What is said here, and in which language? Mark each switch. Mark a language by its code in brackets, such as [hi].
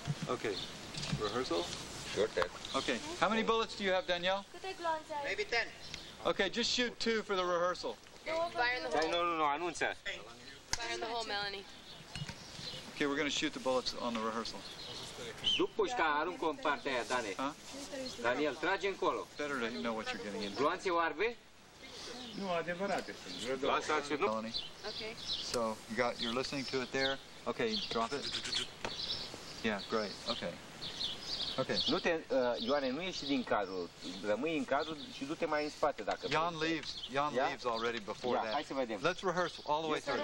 [en] Okay, rehearsal? Okay, how many bullets do you have, Danielle? Maybe 10. Okay, just shoot 2 for the rehearsal. Fire in the hole. No, I don't say. Fire in the hole, Melanie. Okay, we're going to shoot the bullets on the rehearsal. [ro] După ce aruncă în partea aia, Dani. Daniel, trage încolo. [en] Better to know what you're getting into. [ro] Gloanțe oarbe? Nu, adevărate. Lasă-ți, nu? Okay. [en] So, you're listening to it there. Okay, drop it. Yeah, great. Okay. Okay. [ro] Nu te, Ioane, nu ieși din cadru. Rămâi în cadru și du-te mai în spate dacă vrei. [en] Jan leaves. Jan leaves already before that. [ro] Hai să vedem. [en] Let's rehearse all the way through.